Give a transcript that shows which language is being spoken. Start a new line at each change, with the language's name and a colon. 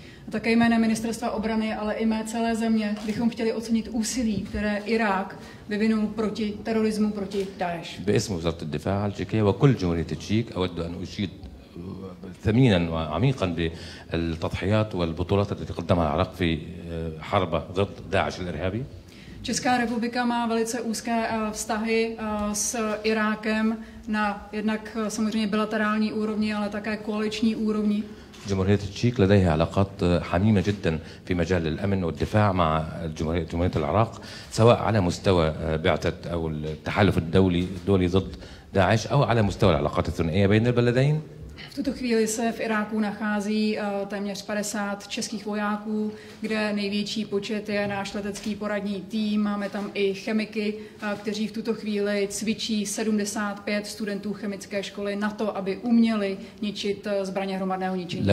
Czech: Také jménem ministerstva obrany, ale i mé celé země bychom chtěli ocenit úsilí, které Irák vyvinul proti terorismu, proti Daesh.
Arabic: ثمينا وعميقا بالتضحيات والبطولات التي قدمها العراق في حرب ضد داعش الإرهابي.
Czech: Česká republika má velice úzké vztahy s Irákem na jednak samozřejmě bilaterální úrovni, ale také koaliční úrovni.
Arabic: جمهورية التشيك لديها علاقات حميمة جدا في مجال الأمن والدفاع مع جمهورية العراق سواء على مستوى بعثة أو التحالف الدولي ضد داعش أو على مستوى العلاقات الثنائية بين البلدين.
Czech: V tuto chvíli se v Iráku nachází téměř 50 českých vojáků, kde největší počet je náš letecký poradní tým. Máme tam i chemiky, kteří v tuto chvíli cvičí 75 studentů chemické školy na to, aby uměli ničit zbraně hromadného ničení.